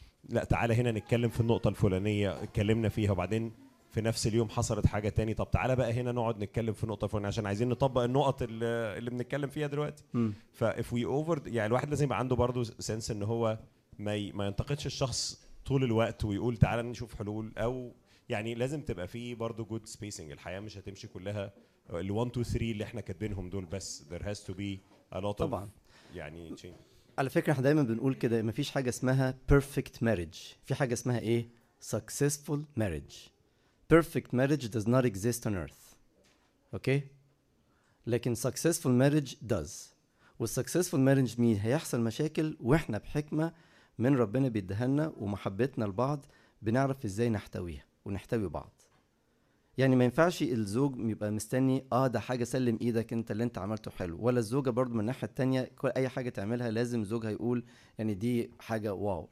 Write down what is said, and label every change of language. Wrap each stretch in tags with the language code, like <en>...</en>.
<ar>لا تعالى هنا نتكلم في النقطة الفلانية اتكلمنا فيها وبعدين في نفس اليوم حصلت حاجة تاني طب تعالى بقى هنا نقعد نتكلم في نقطة فوق عشان عايزين نطبق النقط اللي بنتكلم فيها دلوقتي فا</ar> <en>if we over</en> <ar>يعني الواحد لازم عنده برضو سنس ان هو ما ينتقدش الشخص طول الوقت ويقول تعالى نشوف حلول او يعني لازم تبقى فيه برضو</ar> <en>good spacing</en> <ar>الحياة مش هتمشي كلها ال 1 2 3 اللي احنا كاتبينهم دول بس</ar> <en>there has to be a lot of</en> <ar>طبعاً. يعني على فكرة احنا دايما بنقول كده مفيش حاجة اسمها perfect marriage في حاجة اسمها ايه successful marriage</ar> <en>Perfect marriage does not exist on earth. Okay?</en> <ar>لكن</ar> <en>successful marriage does.</en> <ar>والsuccessful marriage مين هيحصل مشاكل واحنا بحكمة من ربنا بيدهلنا ومحبتنا لبعض بنعرف ازاي نحتويها ونحتوي بعض. يعني ما ينفعش الزوج يبقى مستني ده حاجة سلم ايدك انت اللي انت عملته حلو. ولا الزوجة برضو من ناحية تانية كل اي حاجة تعملها لازم زوجها يقول يعني دي حاجة واو.</ar>